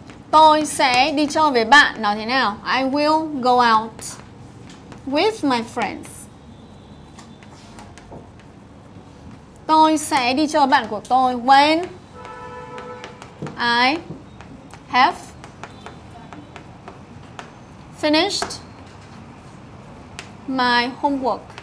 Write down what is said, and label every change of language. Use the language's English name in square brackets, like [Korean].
[Vietnamese] Tôi sẽ đi chơi với bạn, nói thế nào? [English] I will go out with my friends. [Vietnamese] Tôi sẽ đi chơi bạn của tôi [English] when I have finished my homework.